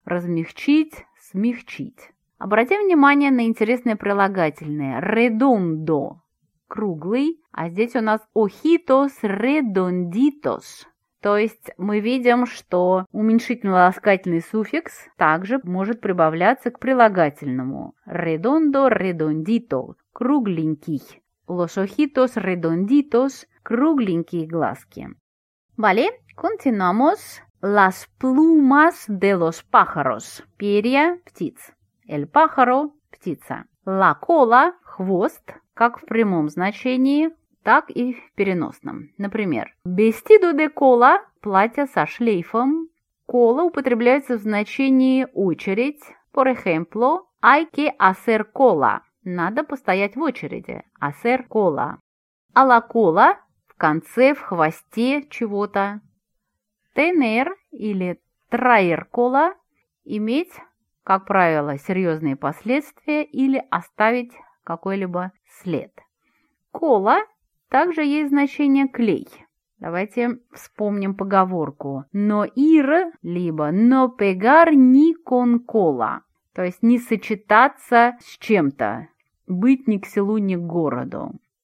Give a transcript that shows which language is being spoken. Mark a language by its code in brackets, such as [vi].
[ru] размягчить, смягчить. Обратим внимание на интересное прилагательное «redondo» – круглый, а здесь у нас [es] «ojitos redonditos». [ru] То есть мы видим, что уменьшительно-ласкательный суффикс также может прибавляться к прилагательному «redondo redondito» – кругленький. [es] «Los ojitos redonditos» – [ru] кругленькие глазки. [es] Vale, continuamos. «Las plumas de los pájaros» – [ru] перья птиц. [es] «El pájaro» – [ru] птица. «La cola» – хвост, как в прямом значении, так и в переносном. Например, [es] «vestido de cola» [ru] – платье со шлейфом. «Cola» употребляется в значении «очередь». [es] Por ejemplo, «hay que hacer cola» – [ru] надо постоять в очереди. [es] «Hacer cola». «A la cola» [ru] – в конце, в хвосте чего-то. «Tener» или [es] «traer cola» [ru] – иметь, как правило, серьезные последствия или оставить какой-либо след. Кола также есть значение клей. Давайте вспомним поговорку «no ir» либо [es] «no pegar ni con cola», [ru] то есть не сочетаться с чем-то, быть ни к селу, ни к городу.